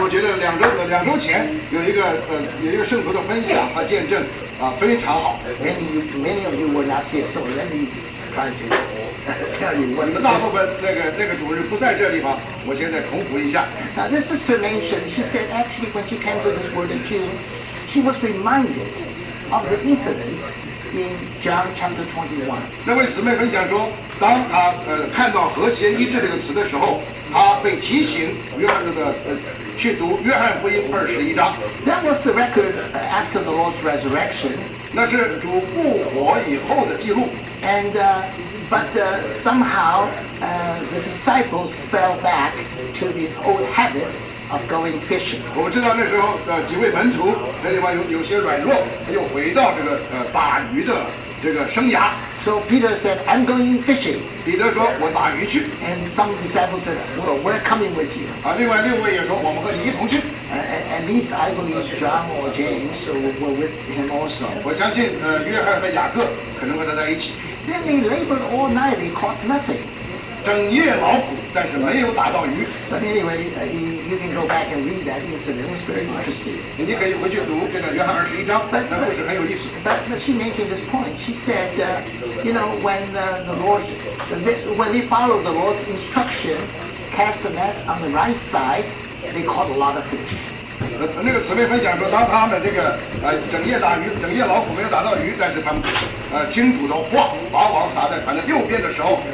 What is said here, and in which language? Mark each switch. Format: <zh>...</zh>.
<zh>我觉得两周前有一个圣徒的分享和见证非常好。</zh> <en>Many of you were not here, so let me try to tell you.</en> <zh>你们大部分那个主日不在这地方，我现在重复一下。</zh> <en>Now, this sister mentioned, she said, actually, when she came to this word attune, she was reminded. Of the incident in John chapter 21.</en> <zh>那位姊妹分享说，当她看到和谐一致这个词的时候，她被提醒约翰去读约翰福音二十一章。</zh> <en>That was the record after the Lord's resurrection.</en> <zh>那是主复活以后的记录。</zh> <en>And somehow the disciples fell back to the old habit. Of going fishing.</en> <zh>我知道那时候几位门徒那地方有些软弱，又回到这个打鱼的这个生涯。</zh> <en>So Peter said, "I'm going fishing."</en> <zh>彼得说，我打鱼去。</zh> <en>And some disciples said, "Well, we're coming with you."</en> <zh>另外六位也说，我们和你一同去。</zh> <en>At least I believe John or James, so we're with him also.</en> <zh>我相信约翰和雅各可能和他在一起。</zh> <en>Then they labored all night; they caught nothing.</en> <zh>整夜劳苦，但是没有打到鱼。</zh> <en>But anyway, you can go back and read that incident. It was very interesting.</en> <zh>你可以回去读这个约翰二十一章，那故事很有意思。</zh> <en>But she mentioned this point. She said, you know, when the Lord, when they followed the Lord's instruction, cast the net on the right side, they caught a lot of fish.</en> <zh>那个姊妹分享说，当他们这个整夜打鱼，整夜劳苦没有打到鱼，但是他们听主的话，把网撒在船的右边的时候。</zh>